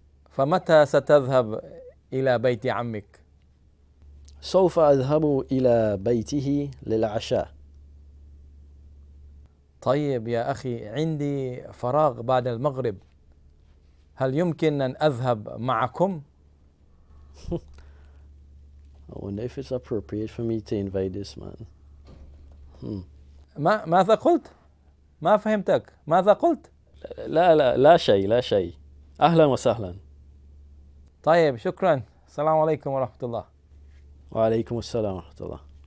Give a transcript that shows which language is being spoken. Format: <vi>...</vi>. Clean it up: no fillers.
<ar>فمتى ستذهب إلى بيت عمك؟ سوف أذهب إلى بيته للعشاء. طيب يا أخي، عندي فراغ بعد المغرب، هل يمكن أن أذهب معكم؟</ar> <en>I wonder if it's appropriate for me to invite this man.</en> <ar>ماذا قلت؟ ما فهمتك، ماذا قلت؟ لا لا لا شيء لا شيء، أهلا وسهلا. طيب شكرا، السلام عليكم ورحمة الله. وعليكم السلام ورحمة الله.</ar>